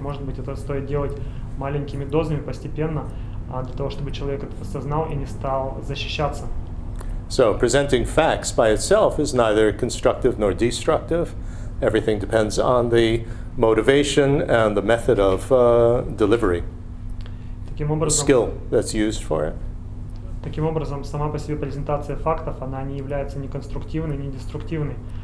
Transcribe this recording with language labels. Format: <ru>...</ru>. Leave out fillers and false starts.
<ru>Может быть, это стоит делать маленькими дозами постепенно, для того, чтобы человек это осознал и не стал защищаться.</ru> <en>So presenting facts by itself is neither constructive nor destructive. Everything depends on the motivation and the method of delivery.</en> <ru>Таким образом,</ru> <en>the skill that's used for it.</en> <ru>Таким образом, сама по себе презентация фактов, она не является ни конструктивной, ни деструктивной.</ru>